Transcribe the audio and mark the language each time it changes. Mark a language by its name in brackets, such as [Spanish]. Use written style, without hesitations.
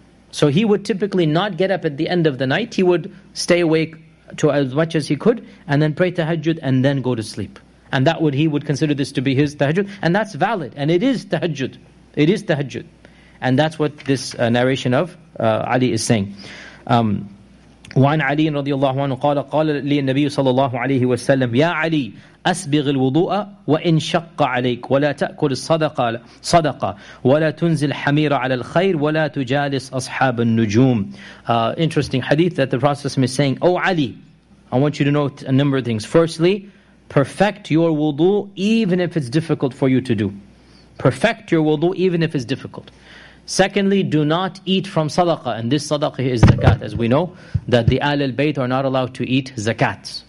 [English] So he would typically not get up at the end of the night. He would stay awake to as much as he could, and then pray tahajjud, and then go to sleep. And that would, he would consider this to be his tahajjud. And that's valid. And it is tahajjud. It is tahajjud. And that's what this narration of Ali is saying. [Arabic] وعن علي رضي الله عنه قال قال لي النبي صلى الله عليه وسلم يا علي أسبغ الوضوء وإن شق عليك ولا تأكل الصدقة ولا تنزل حمير على الخير ولا تجالس أصحاب النجوم. [English] Interesting hadith that the Prophet is saying, O Ali, I want you to note a number of things. Firstly, perfect your wudu even if it's difficult for you to do. Perfect your wudu even if it's difficult. Secondly, do not eat from sadaqah. And this sadaqah is zakat, as we know, that the Ahlul Bayt are not allowed to eat zakat.